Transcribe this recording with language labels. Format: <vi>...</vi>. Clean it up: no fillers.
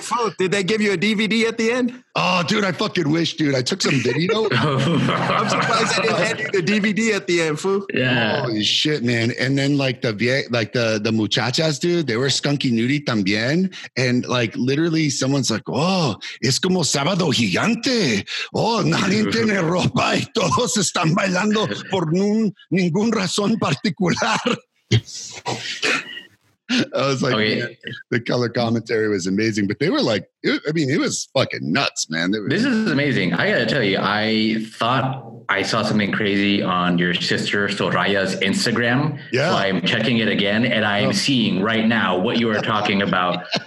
<en>Foo, did they give you a DVD at the end? Oh, dude, I fucking wish, dude. I took some video. I'm surprised I didn't hand you the DVD at the end, Foo. Yeah. Holy shit, man. And then, like, the muchachas, dude, they were skunky nudie</en> <es>también.</es> <en>And, like, literally, someone's like, oh,</en> <es>es como sábado gigante. Oh, nadie tiene ropa y todos están bailando por ningún razón particular.</es> <en>I was like, okay. The color commentary was amazing, but they were like, it was fucking nuts, man. This is amazing. I got to tell you, I thought I saw something crazy on your sister Soraya's Instagram. Yeah. So I'm checking it again and I'm seeing right now what you are talking about.</en>